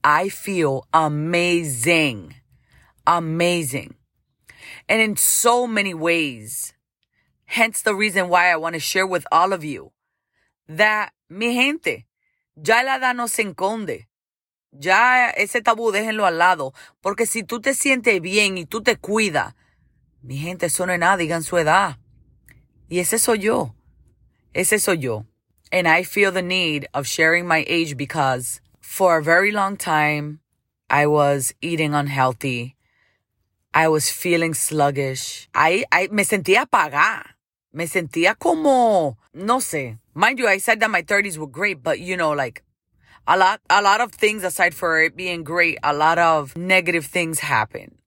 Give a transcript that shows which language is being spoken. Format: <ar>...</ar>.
<en>I feel amazing. Amazing. And in so many ways, hence the reason why I want to share with all of you that,</en> <es>mi gente, ya la edad no se enconde. Ya ese tabú déjenlo al lado. Porque si tú te sientes bien y tú te cuidas, mi gente, eso no es nada, digan su edad. Y ese soy yo. Ese soy yo.</es> <en>And I feel the need of sharing my age because for a very long time, I was eating unhealthy. I was feeling sluggish. I</en> <es>me sentía apagada. Me sentía como, no sé.</es> <en>Mind you, I said that my 30s were great, but you know, like a lot of things aside for it being great, a lot of negative things happened.</en>